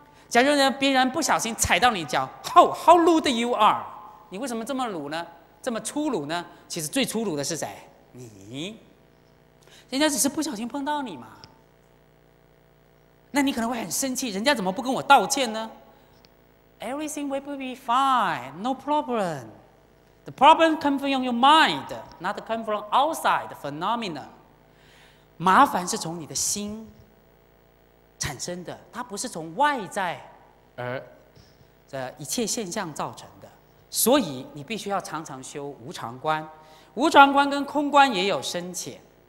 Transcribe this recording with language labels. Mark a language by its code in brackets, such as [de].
[zh] 假如呢别人不小心踩到你脚， [en] how rude you are， [zh] 你为什么这么鲁呢，这么粗鲁呢？其实最粗鲁的是谁？你。人家只是不小心碰到你嘛。那你可能会很生气，人家怎么不跟我道歉呢？ [en] Everything will be fine, no problem. The problem comes from your mind, not come from outside phenomena. [zh] 麻烦是从你的心产生的，它不是从外在而的一切现象造成的。所以你必须要常常修无常观，无常观跟空观也有深浅。